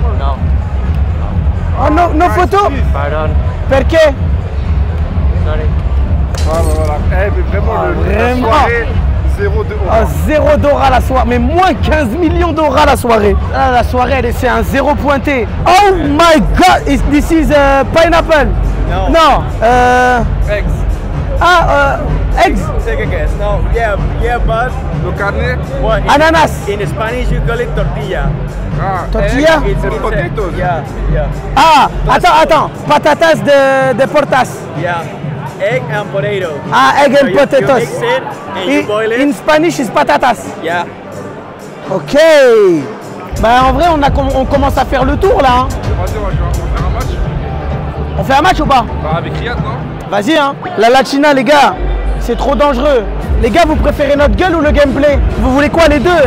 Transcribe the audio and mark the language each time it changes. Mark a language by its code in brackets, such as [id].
[fr] Non. [en] Oh, no, no photo? [fr] Pardon. [it] Perché? [en] Sorry. [fr] Voilà, voilà. Eh, mais vraiment, ah, le vraiment. La soirée, zéro d'aura. Ah, zéro d'aura la soirée. Mais moins 15 millions d'aura la soirée. Ah, la soirée, elle, c'est un zéro pointé. [en] Oh my god, this is pineapple. No. [fr] Non. [en] Eggs. Ah, eggs. Take a guess. No. Yeah, but. [es] Le carne. [en] What? [fr] Ananas. [en] In Spanish, you call it tortilla. Ah, [es] tortilla? [en] It's potatoes. Yeah. [fr] Ah, attends. [es] Patatas de portas. [en] Yeah. Egg and potato. Ah, egg and potatoes. You mix it and you boil it. In Spanish, it's patatas. Yeah. Ok. [fr] Bah, en vrai, on commence à faire le tour là. Hein. Vas-y, on va faire un match. On fait un match ou pas? Bah, avec Riyad, non? Vas-y, hein. La Latina, les gars, c'est trop dangereux. Les gars, vous préférez notre gueule ou le gameplay? Vous voulez quoi, les deux?